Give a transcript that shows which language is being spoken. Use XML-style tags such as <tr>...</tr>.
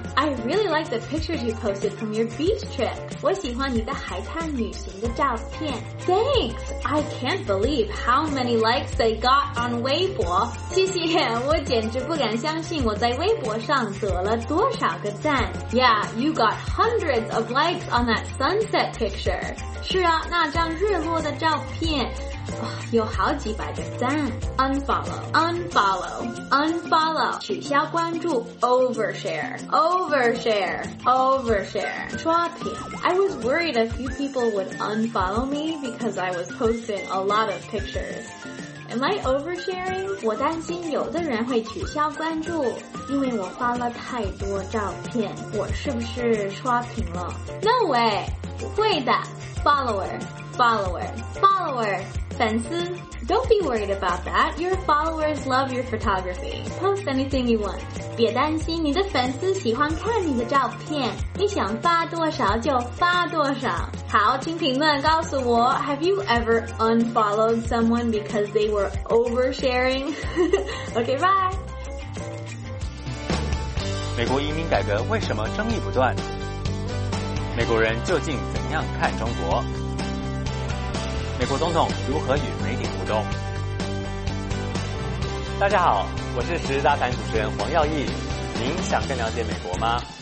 <en>I really like the pictures you posted from your beach trip.</en> <zh>我喜欢你的海滩旅行的照片。</zh> <en>Thanks, I can't believe how many likes they got on Weibo.</en> <zh>谢谢，我简直不敢相信我在微博上得了多少个赞。</zh> <en>Yeah, you got hundreds of likes on that sunset picture.</en> <zh>是啊，那张日落的照片有好几百个赞。</zh> <en>unfollow</en> <zh>取消关注。</zh> <en>overshare</en> <zh>刷屏。</zh> <en>I was worried a few people would unfollow me because I was posting a lot of pictures. Am I oversharing?</en> <zh>我担心有的人会取消关注，因为我发了太多照片，我是不是刷屏了？</zh> <en>No way,</en> <zh>不会的。</zh> <en>follower粉丝, don't be worried about that. Your followers love your photography. Post anything you want.</en> <zh>别担心，你的粉丝喜欢看你的照片，你想发多少就发多少。好，请评论告诉我，</zh> <en>Have you ever unfollowed someone because they were oversharing? Okay, bye.</en> <zh>美国移民改革为什么争议不断？美国人究竟怎样看中国？美国总统如何与媒体互动？大家好，我是时事杂谈主持人黄耀毅。您想更了解美国吗？</zh>